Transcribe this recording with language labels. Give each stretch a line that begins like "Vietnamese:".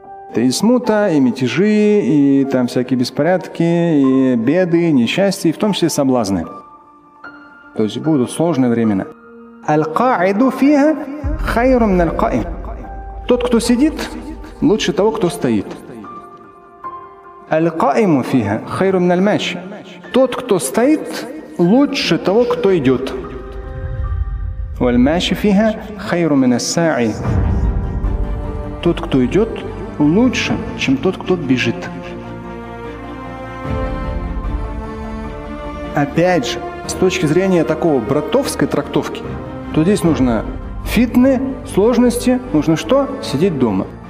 Russian: Это и смута, и мятежи, и там всякие беспорядки, и беды, и несчастья, и в том числе соблазны. То есть будут сложные времена.
Arabic: أَلْقَاعِدُ فِيهَا خَيْرٌ مِنَ الْقَائِمِ.
Russian: Тот, кто сидит, лучше того, кто стоит.
Arabic: القائم فيها خير من الماشي.
Russian: Тот, кто стоит, лучше того, кто идет.
Arabic: والماشي فيها خير من الساعي.
Russian: Тот, кто идет, лучше, чем тот, кто бежит. Опять же, с точки зрения такого братовской трактовки, то здесь нужно фитны, сложности, нужно что? Сидеть дома.